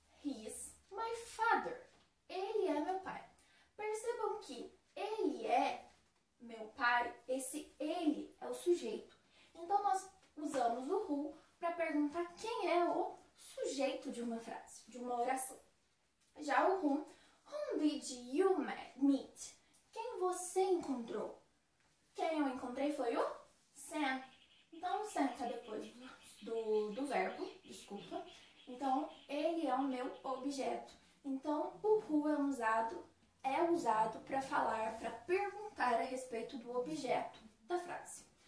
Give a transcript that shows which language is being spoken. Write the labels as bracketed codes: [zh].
[en] He is my father. [pt] Ele é meu pai. Percebam que ele é meu pai, esse ele é o sujeito. Então nós usamos o who para perguntar quem é o sujeito de uma frase, de uma oração. Já o [en] whom, whom did you meet? [pt] Quem você encontrou? Quem eu encontrei foi o Sam. Então o Sam está depois do verbo, desculpa. Então ele é o meu objeto. Então o who é usado para falar, para perguntar a respeito do objeto da frase.